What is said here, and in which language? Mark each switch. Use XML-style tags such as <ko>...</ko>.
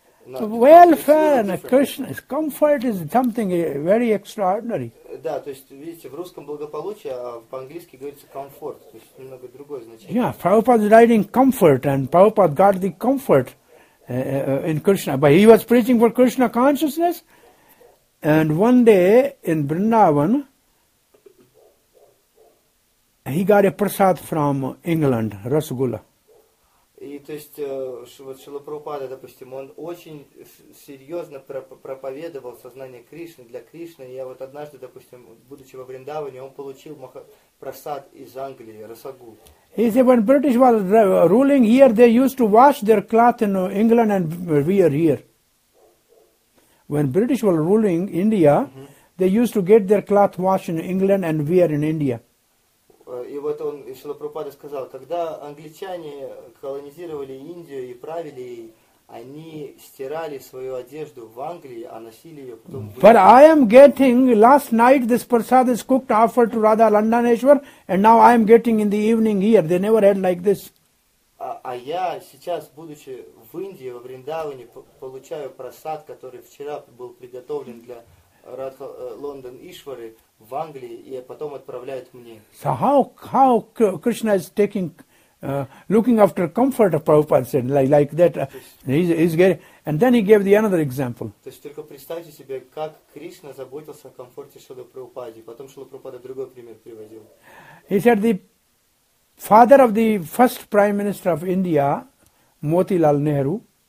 <en>Welfare, Krishna, comfort is something very extraordinary.</en> <ru>Да, то есть, видите, в русском благополучие, а по-английски говорится комфорт, то есть немного другое значение.</ru> <en>Yeah, Prabhupada is writing comfort, and Prabhupada got the comfort in Krishna. But he was preaching for Krishna consciousness, and one day in Vrindavan, he got a prasad from England, Rasgulla.</en> <ru>И то есть, вот Шрила Прабхупада, допустим, он очень серьезно проповедовал сознание Кришны, для Кришны. Я вот однажды, допустим, будучи во Вриндаване, он получил прасад из Англии, расагу.</ru> <en>He said, when British was ruling here, they used to wash their cloth in England and wear here. When British were ruling India, they used to get their cloth washed in England and wear in India.</en> <ru>И вот он, Шрила Прабхупада сказал, когда англичане колонизировали Индию и правили ей, Они стирали свою одежду в Англии, а носили ее потом.</ru> <en>But I am getting last night this prasad is cooked offered to Radha Landaneshwar, and now I am getting in the evening here. They never had like this.</en> <ru>А я сейчас, будучи в Индии, во Вриндаване, получаю прасад, который вчера был приготовлен для Радха Лондон Ишвары в Англии, и потом отправляют мне.</ru> <en>So how Krishna is taking looking after comfort of Prabhupada said, like that, he's getting, and then he gave the another example.</en> <ru>То есть только представьте себе, как Кришна заботился о комфорте Шрилы Прабхупады, потом Шрила Прабхупада другой пример приводил.</ru> <en>He said the father of the first prime minister of India, Motilal Nehru.</en>